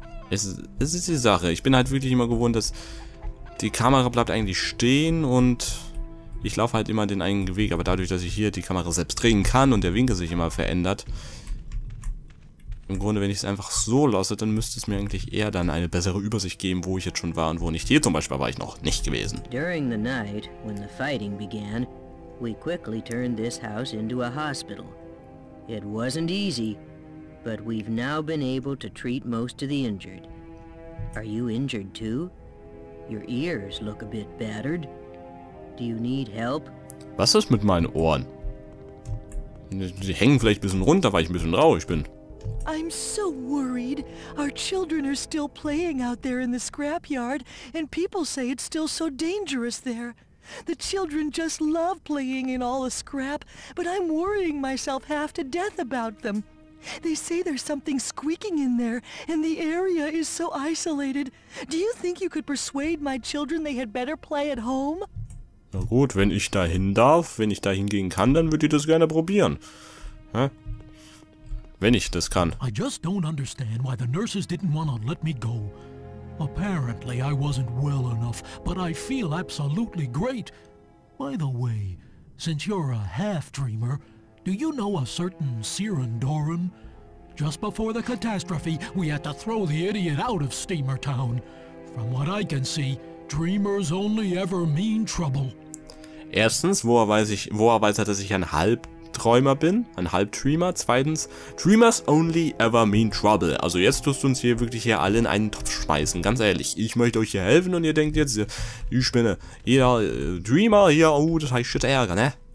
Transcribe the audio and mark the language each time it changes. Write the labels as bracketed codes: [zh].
[de] Es ist die Sache. Ich bin halt wirklich immer gewohnt, dass die Kamera bleibt eigentlich stehen und ich laufe halt immer den eigenen Weg. Aber dadurch, dass ich hier die Kamera selbst drehen kann und der Winkel sich immer verändert... Im Grunde, wenn ich es einfach so lasse, dann müsste es mir eigentlich eher dann eine bessere Übersicht geben, wo ich jetzt schon war und wo nicht. Hier zum Beispiel war ich noch nicht gewesen. [en] During the night, when the fighting began, we quickly turned this house into a hospital. It wasn't easy, but we've now been able to treat most of the injured. Are you injured too? Your ears look a bit battered. Do you need help? [de] Was ist mit meinen Ohren? Die hängen vielleicht ein bisschen runter, weil ich ein bisschen traurig bin. [en] I'm so worried. Our children are still playing out there in the scrapyard, and people say it's still so dangerous there. The children just love playing in all the scrap, but I'm worrying myself half to death about them. They say there's something squeaking in there, and the area is so isolated. Do you think you could persuade my children they had better play at home? [de] Na gut, wenn ich dahin darf, wenn ich dahin gehen kann, dann würde ich das gerne probieren. Hä? Wenn ich das kann. [en] I just don't understand why the nurses didn't want to let me go. Apparently I wasn't well enough, but I feel absolutely great. By the way, since you're a half-dreamer, Do you know a certain Siren Doran? Just before the catastrophe, we had to throw the idiot out of Steamer Town. From what I can see, dreamers only ever mean trouble. [de] Erstens, woher weiß er, dass ich ein Halbträumer bin? Ein Halbdreamer? Zweitens, [en] dreamers only ever mean trouble. [de] Also jetzt tust du uns hier wirklich hier alle in einen Topf schmeißen. Ganz ehrlich, ich möchte euch hier helfen und ihr denkt jetzt, ich spinne. Jeder Dreamer hier, oh, das heißt shit Ärger, ne?